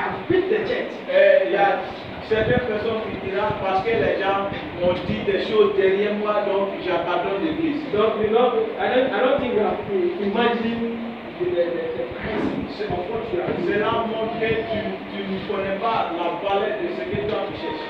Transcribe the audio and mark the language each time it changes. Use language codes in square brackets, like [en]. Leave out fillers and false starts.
[fr] Il y a certaines personnes qui diront parce que les gens ont dit des choses derrière moi, donc j'abandonne l'église. [en] Donc, I don't think you have imagined the price. [fr] Cela montre que tu ne connais pas la valeur de ce que tu as cherché.